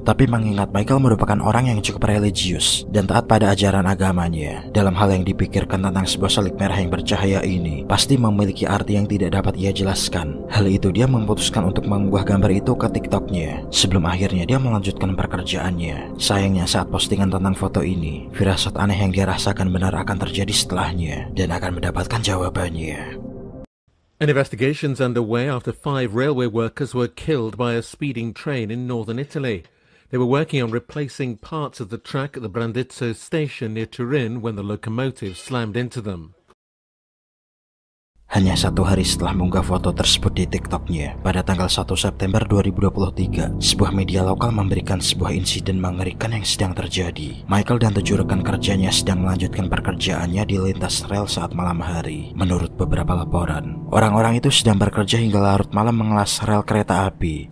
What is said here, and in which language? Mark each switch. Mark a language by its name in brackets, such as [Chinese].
[Indonesian] Tapi mengingat Michael merupakan orang yang cukup religius dan taat pada ajaran agamanya, dalam hal yang dipikirkan tentang sebuah salib merah yang bercahaya ini pasti memiliki arti yang tidak dapat ia jelaskan. Hal itu dia memutuskan untuk mengunggah gambar itu ke TikToknya sebelum akhirnya dia melanjutkan pekerjaannya. Sayangnya saat postingan tentang foto ini, firasat aneh yang dia rasakan benar akan terjadi setelahnya dan akan mendapatkan jawabannya. [English] An investigation's underway after five railway workers were killed by a speeding train in northern Italy. They were working on replacing parts of the track at the Brandizzo station near Turin when the locomotive slammed into them. [Indonesian] Hanya satu hari setelah mengunggah foto tersebut di TikToknya, pada tanggal 1 September 2023, sebuah media lokal memberikan sebuah insiden mengerikan yang sedang terjadi. Michael dan 7 rekan kerjanya sedang melanjutkan pekerjaannya di lintas rel saat malam hari. Menurut beberapa laporan, orang-orang itu sedang bekerja hingga larut malam mengelas rel kereta api.